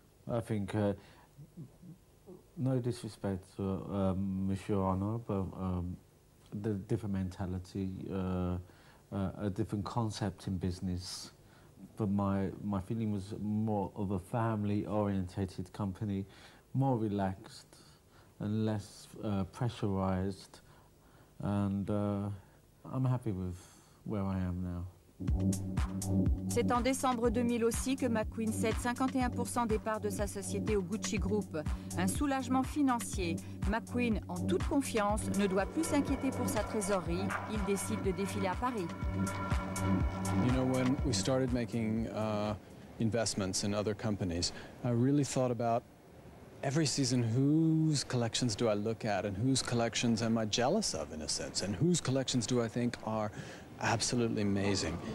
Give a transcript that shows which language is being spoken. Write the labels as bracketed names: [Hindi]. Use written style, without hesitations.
[English] I think, no disrespect to Monsieur Arnaud, but the different mentality, a different concept in business. But my feeling was more of a family-orientated company, more relaxed and less pressurized. And I'm happy with where I am now. [French] C'est en décembre 2000 aussi que McQueen cède 51% des parts de sa société au Gucci Group. Un soulagement financier. McQueen, en toute confiance, ne doit plus s'inquiéter pour sa trésorerie. Il décide de défiler à Paris. [English] You know, when we started making investments in other companies, I really thought about every season, whose collections do I look at and whose collections am I jealous of, in a sense, and whose collections do I think are absolutely amazing.